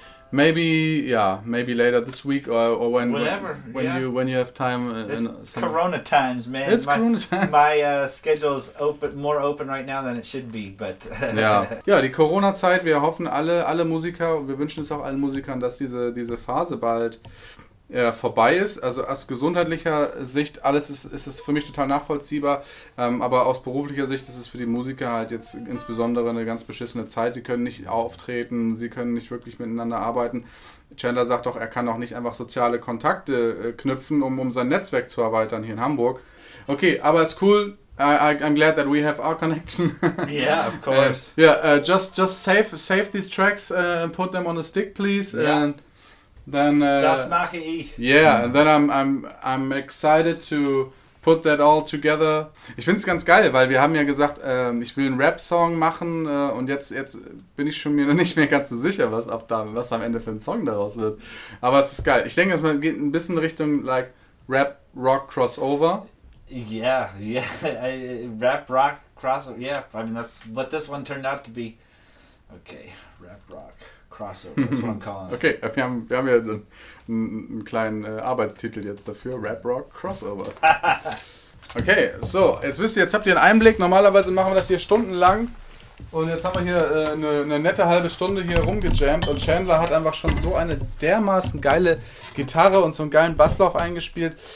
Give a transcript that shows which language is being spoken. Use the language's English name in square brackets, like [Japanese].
[English] Maybe later this week or when when you have time. It's Corona times, man. It's Corona times. My schedule is more open right now than it should be, but [German] ja, die Corona-Zeit. Wir hoffen alle Musiker, wir wünschen es auch allen Musikern, dass diese Phase bald vorbei ist. Also aus gesundheitlicher Sicht alles ist es für mich total nachvollziehbar, aber aus beruflicher Sicht ist es für die Musiker halt jetzt insbesondere eine ganz beschissene Zeit. Sie können nicht auftreten, sie können nicht wirklich miteinander arbeiten. Chandler sagt doch, er kann auch nicht einfach soziale Kontakte knüpfen, um sein Netzwerk zu erweitern hier in Hamburg. Okay, aber es ist cool. [English] I'm glad that we have our connection. Yeah, of course. Just save these tracks and put them on a stick, please. Yeah. And then [German] das mache ich. [English] Yeah, and then I'm excited to put that all together. [German] Ich find's ganz geil, weil wir haben ja gesagt, ich will einen Rap-Song machen und jetzt bin ich schon mir noch nicht mehr ganz so sicher, was am Ende für ein Song daraus wird. Aber es ist geil. Ich denke, es geht ein bisschen Richtung like Rap-Rock-Crossover. [English] Yeah, Rap-Rock-Crossover. Yeah, I mean, that's what this one turned out to be. Okay, Rap-Rock. Crossover, that's what I'm calling it. [German] Okay, wir haben ja einen kleinen Arbeitstitel jetzt dafür, Rap Rock Crossover. Okay, so, jetzt habt ihr einen Einblick. Normalerweise machen wir das hier stundenlang. Und jetzt haben wir hier eine nette halbe Stunde hier rumgejammt und Chandler hat einfach schon so eine dermaßen geile Gitarre und so einen geilen Basslauf eingespielt.